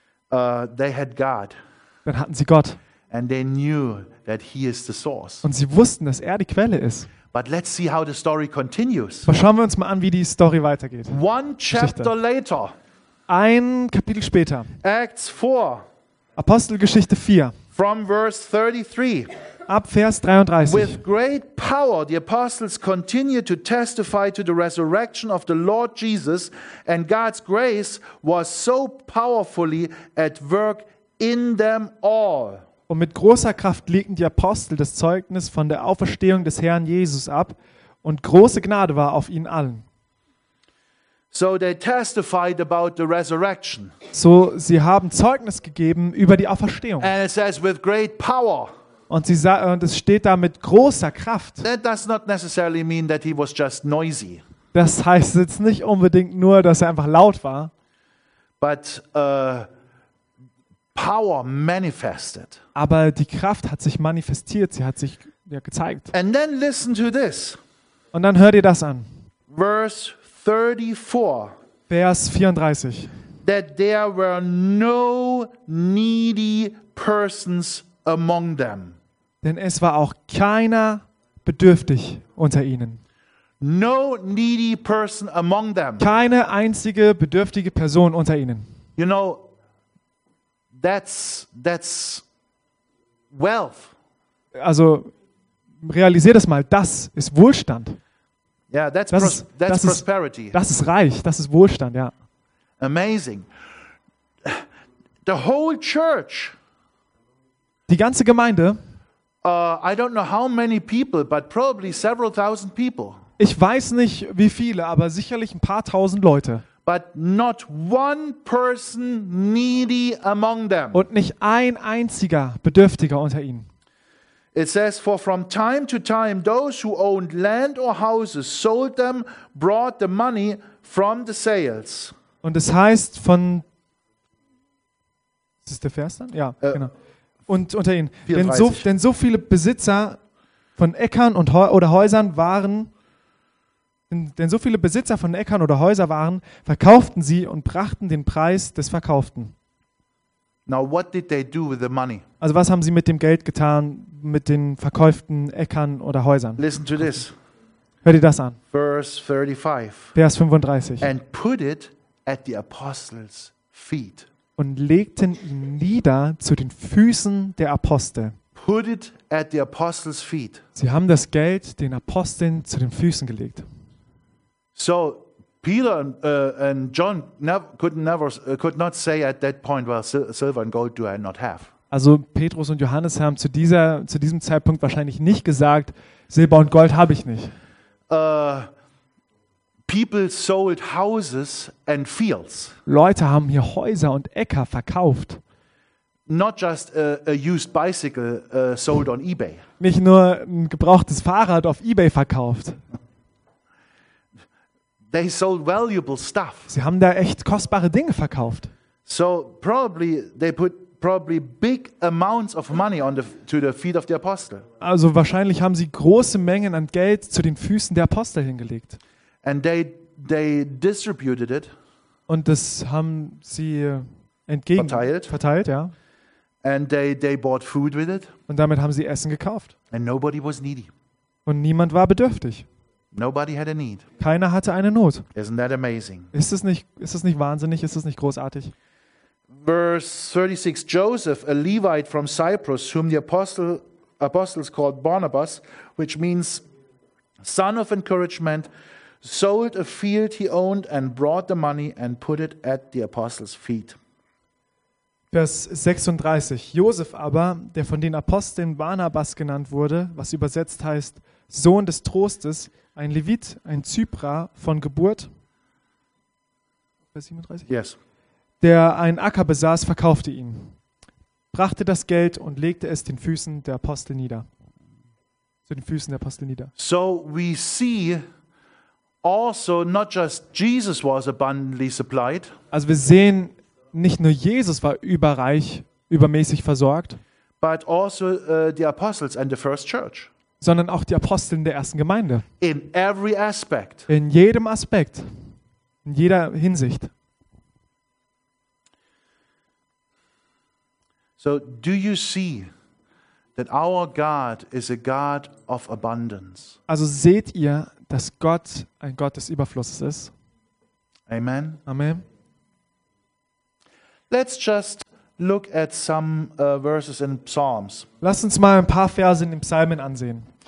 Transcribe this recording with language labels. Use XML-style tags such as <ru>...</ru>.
<en>They had God.</en> <de>Dann hatten sie Gott.</de> <en>And they knew that he is the source.</en> <de>Und sie wussten, dass er die Quelle ist.</de> <en>But let's see how the story continues.</en> <de>Aber schauen wir uns mal an, wie die Story weitergeht.</de> <en>One chapter later.</en> <de>Ein Kapitel später.</de> <en>Acts 4.</en> <de>Apostelgeschichte 4.</de> <en>From verse 33.</en> <de>Ab Vers 33.</de> <en>With great power the apostles continued to testify to the resurrection of the Lord Jesus, and God's grace was so powerfully at work in them all.</en> <de>Und mit großer Kraft legten die Apostel das Zeugnis von der Auferstehung des Herrn Jesus ab, und große Gnade war auf ihnen allen.</de> <en>So they testified about the resurrection.</en> <de>So sie haben Zeugnis gegeben über die Auferstehung.</de> <en>And it says with great power.</en> <de>Und es steht da mit großer Kraft.</de> <en>That does not necessarily mean that he was just noisy.</en> <de>Das heißt jetzt nicht unbedingt nur, dass er einfach laut war.</de> <en>But power manifested.</en> <de>Aber die Kraft hat sich manifestiert, sie hat sich ja gezeigt.</de> <en>And then listen to this.</en> <de>Und dann hört ihr das an.</de> <en>Verse 34.</en> <de>Vers 34.</de> <en>That there were no needy persons among them.</en> <de>Denn es war auch keiner bedürftig unter ihnen.</de> <en>No needy person among them.</en> <de>Keine einzige bedürftige Person unter ihnen.</de> <en>You know, that's wealth.</en> <de>Also realisier das mal, das ist Wohlstand.</de> <en>Yeah, that's prosperity.</en> <de>Das ist reich, das ist Wohlstand, ja.</de> <en>Amazing. The whole church.</en> <de>Die ganze Gemeinde.</de> <en>I don't know how many people, but probably several thousand people.</en> <de>Ich weiß nicht, wie viele, aber sicherlich ein paar tausend Leute.</de> <en>But not one person needy among them.</en> <de>Und nicht ein einziger Bedürftiger unter ihnen.</de> <en>It says, for from time to time, those who owned land or houses sold them, brought the money from the sales.</en> <de>Und es heißt von, ist das der Vers dann? Ja, genau. Und unter ihnen. Denn so viele Besitzer von Äckern und oder Häusern waren, denn so viele Besitzer von Äckern oder Häusern waren, verkauften sie und brachten den Preis des Verkauften.</de> <en>Now what did they do with the money?</en> <de>Also was haben sie mit dem Geld getan, mit den verkauften Äckern oder Häusern?</de> <en>Listen to this.</en> <de>Hör dir das an.</de> <en>Verse 35.</en> <de>Vers 35.</de> <en>And put it at the apostles' feet.</en> <de>Und legten ihn nieder zu den Füßen der Apostel.</de> <en>Put it at the apostles' feet.</en> <de>Sie haben das Geld den Aposteln zu den Füßen gelegt.</de> <en>So Peter and John could not say at that point, well, silver and gold do I not have.</en> <de>Also Petrus und Johannes haben zu diesem Zeitpunkt wahrscheinlich nicht gesagt, Silber und Gold habe ich nicht.</de> <en>People sold houses and fields.</en> <de>Leute haben hier Häuser und Äcker verkauft.</de> <en>Not just a used bicycle sold on eBay.</en> <de>Nicht nur ein gebrauchtes Fahrrad auf eBay verkauft.</de> <en>They sold valuable stuff.</en> <de>Sie haben da echt kostbare Dinge verkauft.</de> <en>So probably they put probably big amounts of money on the to the feet of the apostle.</en> <de>Also wahrscheinlich haben sie große Mengen an Geld zu den Füßen der Apostel hingelegt.</de> <en>And they distributed it.</en> <de>Und das haben sie verteilt, ja.</de> <en>And they bought food with it.</en> <de>Und damit haben sie Essen gekauft.</de> <en>And nobody was needy.</en> <de>Und niemand war bedürftig.</de> <en>Nobody had a need.</en> <de>Keiner hatte eine Not.</de> <en>Isn't that amazing?</en> <de>Ist es nicht wahnsinnig? Ist es nicht großartig?</de> <en>Verse 36. Joseph, a Levite from Cyprus, whom the apostles called Barnabas, which means son of encouragement, sold a field he owned and brought the money and put it at the apostles' feet.</en> <de>Vers 36. Joseph aber, der von den Aposteln Barnabas genannt wurde, was übersetzt heißt Sohn des Trostes, ein Levit, ein Zyprer von Geburt, Vers 37?</de> <en>Yes.</en> <de>Der einen Acker besaß, verkaufte ihn, brachte das Geld und legte es den Füßen der Apostel nieder. Zu den Füßen der Apostel nieder.</de> <en>So we see also not just Jesus was abundantly supplied.</en> <de>Also wir sehen, nicht nur Jesus war überreich, übermäßig versorgt,</de> <en>but also the apostles and the first church.</en> <de>Sondern auch die Aposteln der ersten Gemeinde.</de> <en>In every aspect.</en> <de>In jedem Aspekt. In jeder Hinsicht.</de> <en>So, do you see that our God is a God of abundance?</en> <de>Also seht ihr, dass Gott ein Gott des Überflusses ist?</de> <en>Amen.</en> <de>Amen.</de> <en>Let's just look at some verses in Psalms.</en> <de>Lasst uns mal ein paar Verse in den Psalmen ansehen.</de>